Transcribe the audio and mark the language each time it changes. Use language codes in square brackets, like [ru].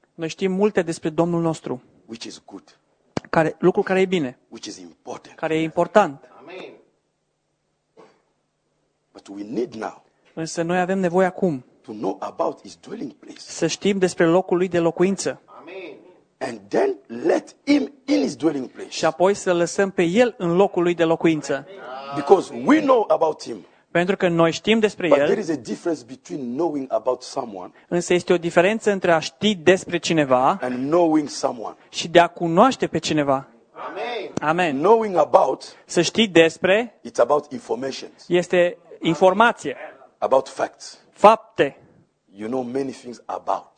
[ro] Noi știm multe despre Domnul nostru. [en] Which is good. [ro] Care, lucru care e bine. [en] Which is important. [ro] Care e important. [en] Amen. But we need now. [ro] Însă noi avem nevoie acum. [en] To know about his dwelling place. [ro] Să știm despre locul lui de locuință. [en] Amen. And then let him in his dwelling place. [ro] Și apoi să lăsăm pe el în locul lui de locuință. [en] Because we know about him. [ro] Pentru că noi știm despre el. [en] But there is a difference between knowing about someone. [ro] Însă este o diferență între a ști despre cineva [en] and knowing someone. [ro] Și de a cunoaște pe cineva. [en] Amen. [ro] Amen. [en] Knowing about. [ro] Să știi despre. [en] It's about information. [ro] Este informație. [en] About facts. [ro] Fapte. [en] You know many things about.